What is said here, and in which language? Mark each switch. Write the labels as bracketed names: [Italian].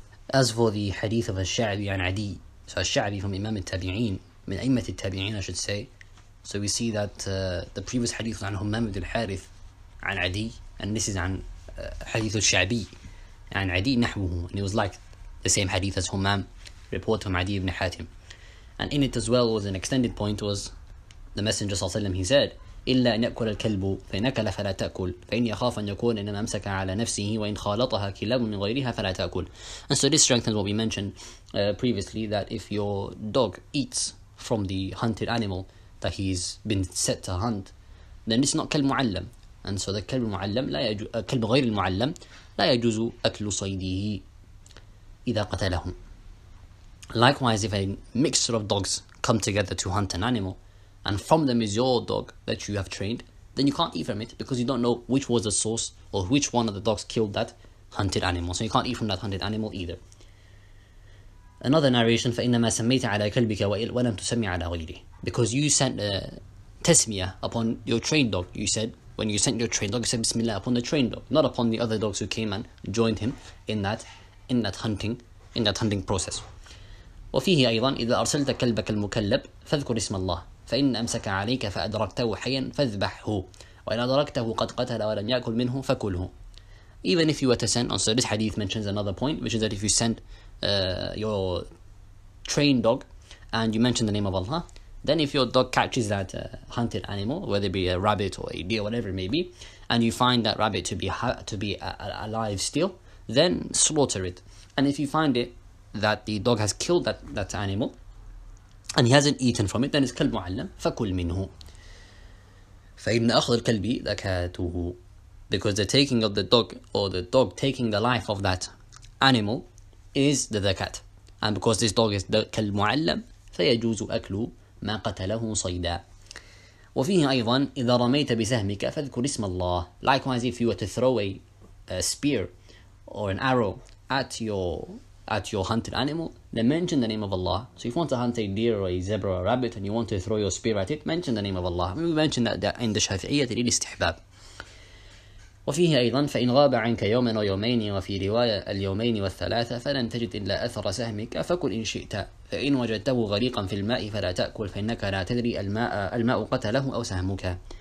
[English] As for the hadith of al-Sha'bi and Adi, so al-Sha'bi from Imam al-Tabi'een, [Arabic] من أئمة التابعين, [English] I should say. So we see that the previous hadith was عن Humam ibn al-Harith, عن عدي, and this is [Arabic] عن حديث الشعبي عن عدي نحوه, [English] and it was like the same hadith as Humam report from عدي بن حاتم. And in it as well was an extended point, was the Messenger صلى الله عليه وسلم, he said, [Arabic] إلا أن يأكل الكلب فإن أكل فلا تأكل فإن يخاف أن يكون إنما أمسك على نفسه وإن خالطها كلاب من غيرها فلا تأكل. [English] And so this strengthens what we mentioned previously, that if your dog eats from the hunted animal that he's been set to hunt, then it's not كالمعلم, And so the [Arabic] كلب المعلم لا يجوز كلب غير المعلم لا يجوز أكل صيده إذا قتله. [English] Likewise, if a mixture of dogs come together to hunt an animal, and from them is your dog that you have trained, then you can't eat from it because you don't know which was the source or which one of the dogs killed that hunted animal. So you can't eat from that hunted animal either. Another narration: [Arabic] فإنما سميت على كلبك ولم تسمي على غيره. [English] Because you sent a tasmiya upon your trained dog, you said. When you sent your trained dog, you said Bismillah upon the trained dog, not upon the other dogs who came and joined him in that hunting process. [Arabic] وفيه أيضا إذا أرسلت كلبك المكلب فاذكر اسم الله فإن أمسك عليك فأدركته حيا فاذبحه وإن أدركته قد قتل ولم يأكل منه فكله. [English] Even if you were to send, and so this hadith mentions another point, which is that if you send your trained dog and you mention the name of Allah, then if your dog catches that hunted animal, whether it be a rabbit or a deer, whatever it may be, and you find that rabbit to be alive still, then slaughter it. And if you find it that the dog has killed that animal and he hasn't eaten from it, then it's [Arabic] كلب معلم فكل منه. فإن أخذ الكلب ذكاته. [English] Because the taking of the dog, or the dog taking the life of that animal, is the zakat. And because this dog is [Arabic] كلب معلم فيجوز أكله ما قتله صيدا. وفيه أيضا إذا رميت بسهمك فاذكر اسم الله. [English] Likewise, if you were to throw a spear or an arrow at your hunted animal, then mention the name of Allah. So if you want to hunt a deer or a zebra or a rabbit and you want to throw your spear at it, mention the name of Allah. We mentioned that in the [Arabic] شافعية للاستحباب. وفيه أيضا فإن غاب عنك يوما أو يومين وفي رواية اليومين والثلاثة فلن تجد إلا أثر سهمك فكل إن شئت فإن وجدته غريقا في الماء فلا تأكل فإنك لا تدري الماء قتله أو سهمك.